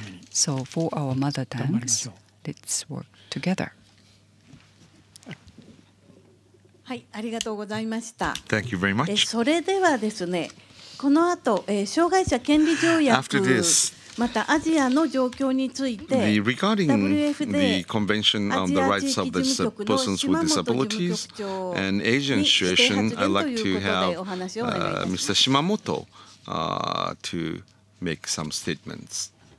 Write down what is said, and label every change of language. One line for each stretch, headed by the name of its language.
English: So, for our mother tongues, let's work together.
Japanese: はい、ありがとうございました。
English: Thank you very much.
Japanese: それではですね、この後、障害者権利条約、
English: After this,
Japanese: またアジアの状況について、
English: the, regarding the Convention on the Rights of the Persons with Disabilities and Asian situation, I'd like to have Mr. Shimamoto to make some statements.